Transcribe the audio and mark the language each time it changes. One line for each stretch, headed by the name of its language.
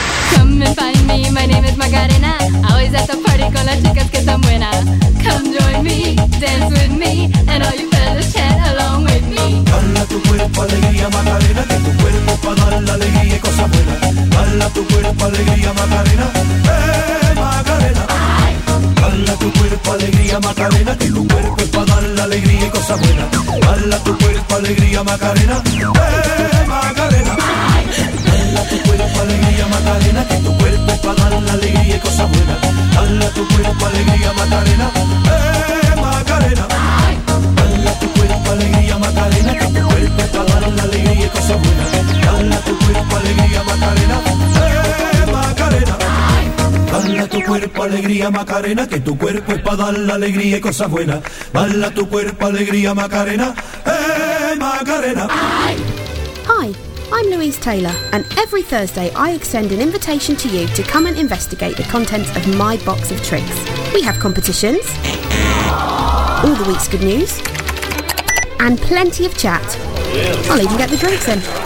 English: Come and find me, my name is Macarena. Always at the party
Spanish: con las chicas que son buenas.
English: Come join me, dance with me, and all you fellas chant along with me.
Spanish: Bala tu cuerpo, alegría, Macarena. Que tu cuerpo pa' dar la alegría y cosas buenas. Bala tu cuerpo, alegría, Macarena. Macarena, que tu cuerpo es pa' dar la alegría y cosas buenas. Baila tu cuerpo, alegría, Macarena, Macarena. Baila tu cuerpo, alegría, Macarena, que tu cuerpo es pa' dar la alegría y cosas buenas. Baila tu cuerpo, alegría, Macarena, Macarena. Baila tu cuerpo, alegría, Macarena, que tu cuerpo es pa' dar la alegría y cosas buenas. Baila tu cuerpo, alegría, Macarena, Macarena. Baila tu cuerpo, alegría, Macarena, que tu cuerpo es pa' dar la alegría y cosas buenas. Baila tu cuerpo, alegría, Macarena, Macarena.
English: Hi, I'm Louise Taylor, and every Thursday I extend an invitation to you to come and investigate the contents of my box of tricks. We have competitions, all the week's good news, and plenty of chat. I'll even get the drinks in.